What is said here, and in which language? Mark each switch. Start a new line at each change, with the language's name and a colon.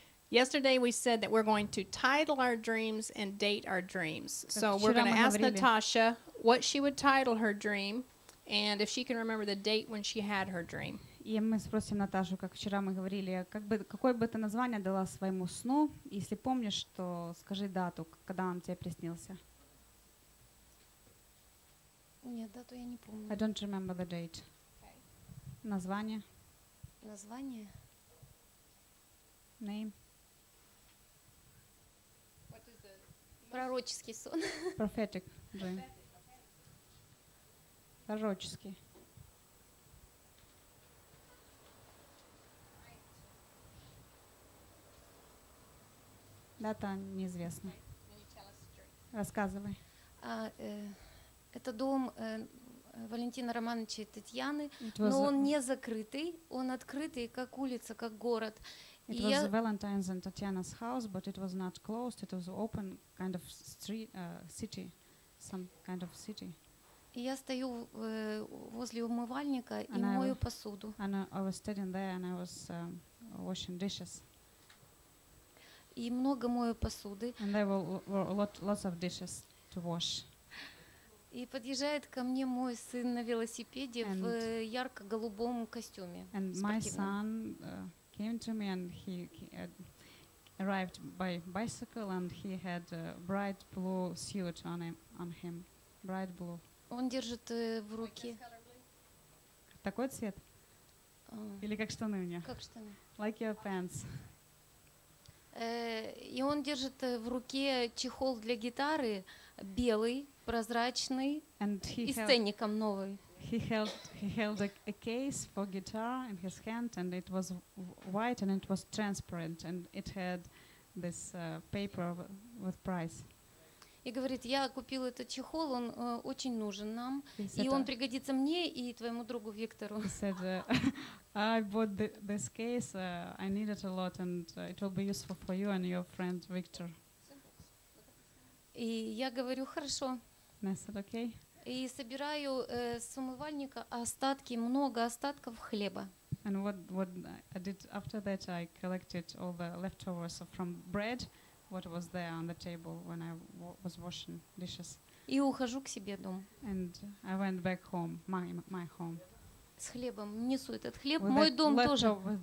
English: Yesterday we said that we're going to title our dreams and date our dreams. So we're going to ask Natasha what she would title her dream and if she can remember the date when she had her dream.
Russian: И мы спросим Наташу, как вчера мы говорили, как бы, какое бы ты название дала своему сну, если помнишь, то скажи дату, когда он тебе приснился. Нет, дату я не помню.
English: I don't remember the date. Okay.
Russian: Название? Название?
English: Name? What is the...
Russian: Пророческий сон.
English: Prophetic dream.
Russian: Пророческий. Дата неизвестна. Рассказывай. Это дом Валентина Романовича и Татьяны, но он не закрытый, он открытый, как улица, как город.
English: It was Valentine's and Tatiana's house, but it was not closed, it was open, kind of street, city, some kind of city.
Russian: И я стою возле умывальника и мою посуду.
English: And I was standing there and I was washing dishes.
Russian: И много мою посуды.
English: And there were lots of dishes to wash.
Russian: И подъезжает ко мне мой сын на велосипеде в ярко-голубом костюме.
English: And my son came to me and he arrived by bicycle and he had a bright blue suit on him. Bright blue.
Russian: Он держит в руке. Такой цвет? Или как штаны у меня? Как штаны.
English: Like your pants.
Russian: И он держит в руке чехол для гитары, белый, прозрачный, и ценником новый.
English: He held a case for guitar in his hand, and it was white and it was transparent, and it had this paper with price.
Russian: И говорит, я купил этот чехол, он очень нужен нам, и он пригодится мне и твоему другу Виктору.
English: I bought this case, I need it a lot, and it will be useful for you and your friend Victor.
Russian: И я говорю, хорошо.
English: I said, okay.
Russian: И собираю с умывальника остатки, много остатков хлеба.
English: And what I did after that, I collected all the leftovers from bread, what was there on the table when I was washing dishes.
Russian: И ухожу к себе дом.
English: And I went back home, my home.
Russian: С хлебом несу этот хлеб, мой дом тоже.